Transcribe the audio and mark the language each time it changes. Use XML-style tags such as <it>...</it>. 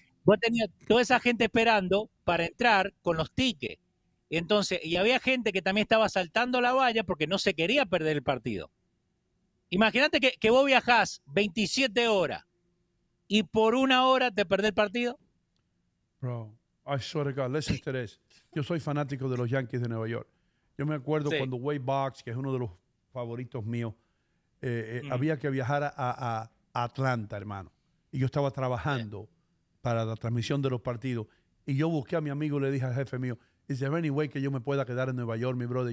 <es>Vos tenías toda esa gente esperando para entrar con los tickets. Entonces, y había gente que también estaba saltando la valla porque no se quería perder el partido. Imagínate que vos viajás 27 horas y por una hora te perdés el partido.</es> <en>Bro, I swear to God, listen to this.</en> <es>Yo soy fanático de los Yankees de Nueva York. Yo me acuerdo cuando Wade Boggs, que es uno de los favoritos míos, había que viajar a Atlanta, hermano. Y yo estaba trabajando para la transmisión de los partidos. Y yo busqué a mi amigo y le dije al jefe mío,</es> <en>is there any way</en> <es>que yo me pueda quedar en Nueva York, mi brother?</es>